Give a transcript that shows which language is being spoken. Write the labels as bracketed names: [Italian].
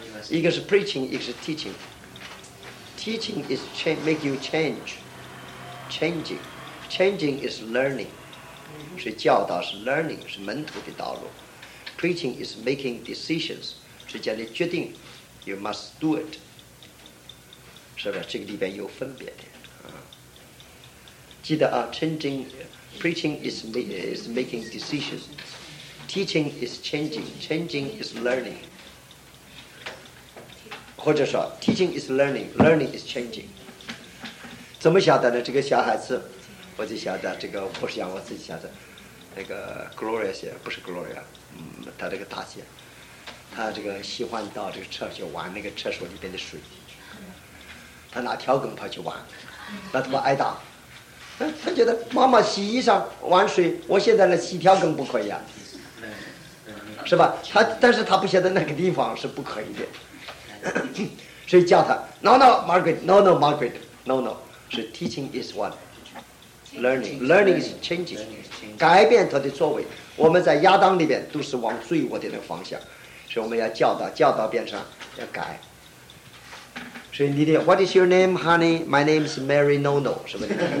[Chinese] 一个是 preaching， 一个是 teaching。 [English] teaching is make you change， changing， changing is learning。 [Chinese] 是教导，是 learning， 是门徒的道路。 [English] preaching is making decisions， [Chinese] 是叫你决定， [English] you must do it。 [Chinese] 是吧？这个里边有分别的啊。记得啊， [English] preaching is making decisions, teaching is changing is learning. [Chinese] 或者说 [English] teaching is learning, learning is changing. [Chinese] 怎么晓得呢？这个小孩子，我就晓得这个，不是讲我自己晓得，那个 Gloria 写，不是 Gloria， 他这个大姐，他这个喜欢到这个厕所玩那个厕所里边的水，他拿条梗跑去玩，那他不挨打？他觉得妈妈洗衣裳玩水，我现在呢洗条梗不可以啊，是吧？但是他不晓得那个地方是不可以的。所以叫他 [English] No, Margaret, No, 是 teaching is what? Learning is changing, [Chinese] 改变他的作为。我们在亚当里面都是往罪恶的那个方向，所以我们要教导变成要改。所以你的 [English] What is your name, honey? My name is Mary No, [Chinese] 是不是？